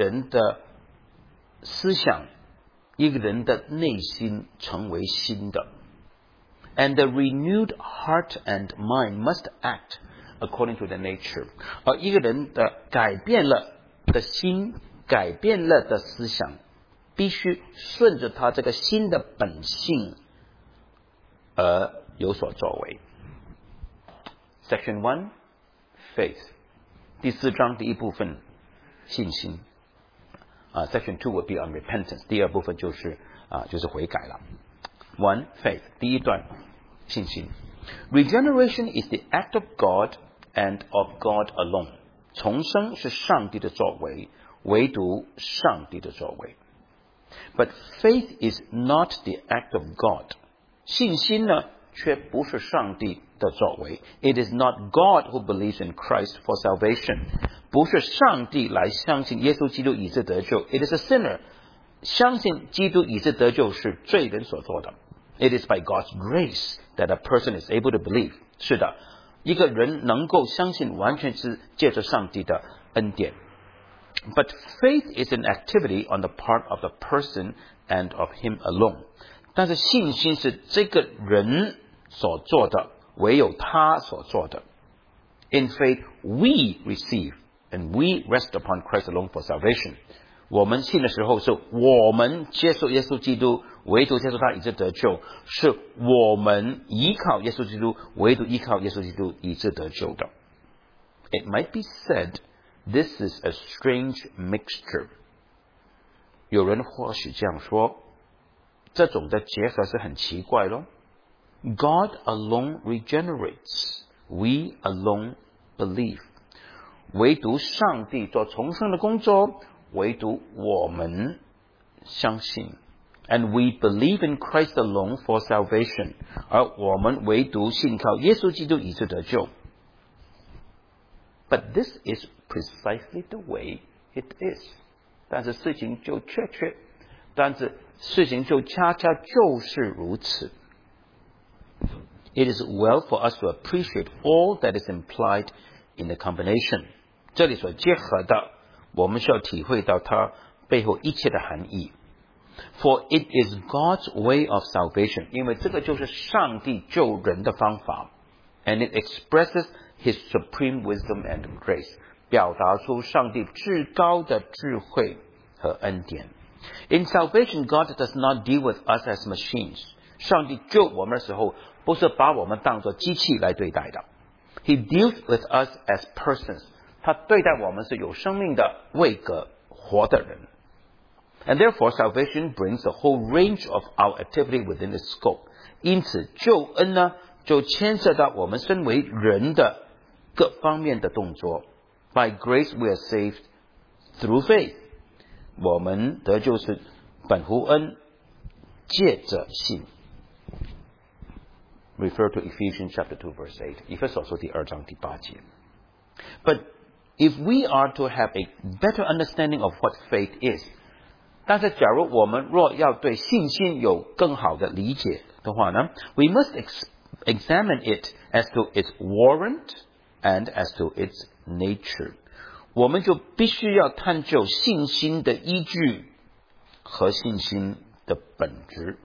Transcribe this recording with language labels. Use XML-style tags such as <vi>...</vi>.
<zh>重生就是使一个人的思想, 一个人的内心成为新的.</zh> <en>And the renewed heart and mind must act according to the nature.</en> <zh>而一个人的改变了的心, 改变了的思想必须顺着他这个新的本性而有所作为.</zh> <en>Section 1, Faith.</en> <zh>第四章第一部分, 信心.</zh> <en>Section 2 will be on repentance.</en> <zh>第二部分就是悔改了.1, Faith. 第一段, 信心.</zh> <en>Regeneration is the act of God and of God alone.</en> <zh>重生是上帝的作为, 唯独上帝的作为.</zh> <en>But faith is not the act of God.</en> <zh>信心呢, 却不是上帝的作为.</zh> <en>It is not God who believes in Christ for salvation.</en> <zh>不是上帝来相信耶稣基督以致得救.</zh> <en>It is a sinner.</en> <zh>相信基督以致得救是罪人所做的.</zh> <en>It is by God's grace that a person is able to believe.</en> <zh>是的, 一个人能够相信完全是借着上帝的恩典.</zh> <en>But faith is an activity on the part of the person and of him alone.</en> <zh>但是信心是这个人所做的, 唯有他所做的.</zh> <en>In faith, we receive and we rest upon Christ alone for salvation.</en> <zh>我们信的时候是我们接受耶稣基督,唯独接受他以致得救,是我们依靠耶稣基督,唯独依靠耶稣基督以致得救的.</zh> <en>It might be said, this is a strange mixture.</en> <zh>有人或许这样说,</zh> <en>God alone regenerates. We alone believe.</en> <zh>唯独上帝做重生的工作，唯独我们相信。</zh> <en>And we believe in Christ alone for salvation.</en> <zh>而我们唯独信靠耶稣基督以致得救。</zh> <en>But this is precisely the way it is.</en> <zh>但是事情就确确，但是事情就恰恰就是如此。</zh> <en>It is well for us to appreciate all that is implied in the combination.</en> <zh>这里所结合的，我们需要体会到它背后一切的含义。</zh> <en>For it is God's way of salvation.</en> <zh>因为这个就是上帝救人的方法。</zh> <en>And it expresses His supreme wisdom and grace.</en> <zh>表达出上帝至高的智慧和恩典。</zh> <en>In salvation, God does not deal with us as machines.</en> <zh>上帝救我们的时候不是把我们当作机器来对待的。</zh> <en>He deals with us as persons.</en> <zh>他对待我们是有生命的位格活的人。</zh> <en>And therefore, salvation brings a whole range of our activity within its scope.</en> <zh>因此救恩呢就牵涉到我们身为人的各方面的动作。</zh> <en>By grace, we are saved through faith.</en> <zh>我们得救是本乎恩借着信。</zh> <en>Refer to Ephesians chapter 2 verse 8.</en> <zh>以弗所书第二章第八节。</zh> <en>But if we are to have a better understanding of what faith is,</en> <zh>但是假如我们若要对信心有更好的理解的话呢</zh> <en>,we must examine it as to its warrant and as to its nature.</en> <zh>我们就必须要探究信心的依据和信心的本质。</zh>